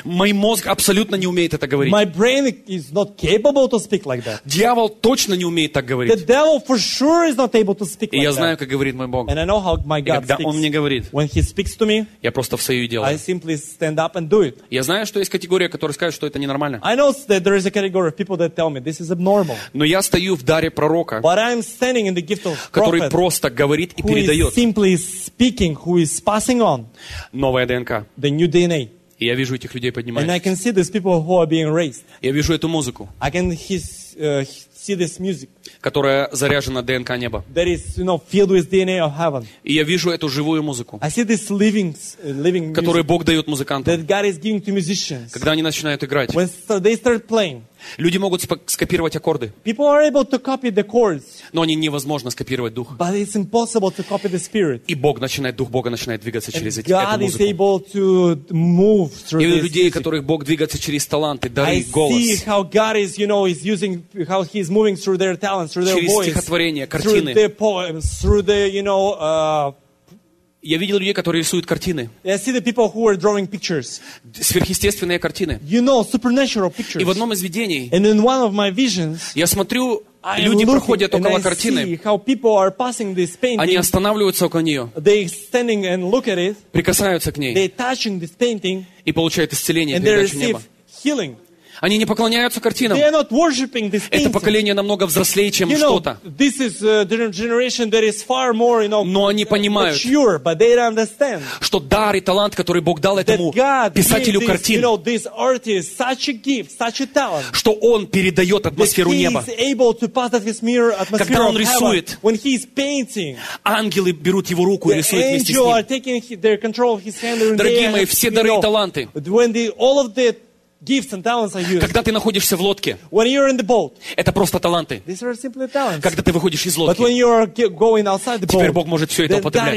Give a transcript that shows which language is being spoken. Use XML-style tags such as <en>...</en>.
<ru>Мой мозг абсолютно не умеет это говорить.</ru> <en>My brain is not capable to speak like that.</en> <ru>Дьявол точно не умеет так говорить.</ru> <en>The devil for sure is not able to speak like that.</en> <ru>И я знаю, как говорит мой Бог.</ru> <en>And I know how my God</en> <ru>и когда</ru> <en>speaks,</en> <ru>Он мне говорит,</ru> <en>when he speaks to me,</en> <ru>я просто встаю и делаю.</ru> <en>I simply stand up and do it.</en> <ru>Я знаю, что есть категория, которая скажет, что это ненормально.</ru> <en>I know that there is a category of people that tell me this is abnormal.</en> <ru>Но я стою в даре пророка,</ru> <en>but I'm standing in the gift of prophet,</en> <ru>который просто говорит и</ru> <en>who</en> <ru>передает.</ru> <en>Is simply speaking, who is passing on</en> <ru>новая ДНК.</ru> <en>The new DNA.</en> <ru>И я вижу этих людей поднимаются.</ru> <en>And I can see these people who are being raised.</en> <ru>Я вижу эту музыку.</ru> <en>I can see this music.</en> <ru>Которая заряжена ДНК неба.</ru> <en>That is, you know, filled with DNA of heaven.</en> <ru>И я вижу эту живую музыку.</ru> <en>I see this living music.</en> <ru>Которую Бог дает музыкантам.</ru> <en>That God is giving to musicians.</en> <ru>Когда они начинают играть.</ru> <en>When they start playing.</en> <ru>Люди могут скопировать аккорды.</ru> <en>People are able to copy the chords.</en> <ru>Но они невозможно скопировать дух.</ru> <en>But it's impossible to copy the spirit.</en> <ru>И Бог начинает, дух Бога начинает двигаться через эту музыку.</ru> <en>is able to move through this.</en> <ru>И людей, которых Бог двигается через таланты, дары, голос.</ru> <en>I see how God is, you know, is using, how he is moving through their talents, through their voice.</en> <ru>Через стихотворение, картины.</ru> <en>Through their poems, through the, you know,</en> <ru>Я видел людей, которые рисуют картины.</ru> <en>I see the people who are drawing pictures.</en> <ru>Сверхъестественные картины.</ru> <en>You know, supernatural pictures.</en> <ru>И в одном из видений.</ru> <en>And in one of my visions.</en> <ru>Я смотрю, люди проходят около картины.</ru> <en>And I see how people are passing this painting.</en> <ru>Они останавливаются около нее.</ru> <en>They standing and look at it.</en> <ru>Прикасаются к ней.</ru> <en>They touching this painting.</en> <ru>И получают исцеление.</ru> <en>And they receive healing.</en> <ru>Они не поклоняются картинам.</ru> <en>They are not worshiping this painting.</en> <ru>Это поколение намного взрослее, чем</ru> <en>you know,</en> <ru>что-то.</ru> <en>This is a generation that is far more, you know,</en> <ru>но они понимают,</ru> <en>mature, but they understand,</en> <ru>что дар и талант, который Бог дал этому писателю</ru> <en>this,</en> <ru>картин,</ru> <en>you know, this artist, such a gift, such a talent,</en> <ru>что он передает атмосферу неба.</ru> <en>He is able to pass that atmosphere, atmosphere</en> <ru>когда он рисует,</ru> <en>heaven, when he is painting,</en> <ru>ангелы берут его руку и рисуют вместе с ним.</ru> <en>Are taking their control of his hand, and</en> <ru>дорогие мои, все дары и таланты,</ru> <en>when the, all of the, gifts and talents are used.</en> <ru>Когда ты находишься в лодке,</ru> <en>when you're in the boat,</en> <ru>это просто таланты.</ru> <en>These are simply talents.</en> <ru>Когда ты выходишь из лодки,</ru> <en>but when you're going outside the boat,</en> <ru>теперь Бог может все это употреблять.</ru>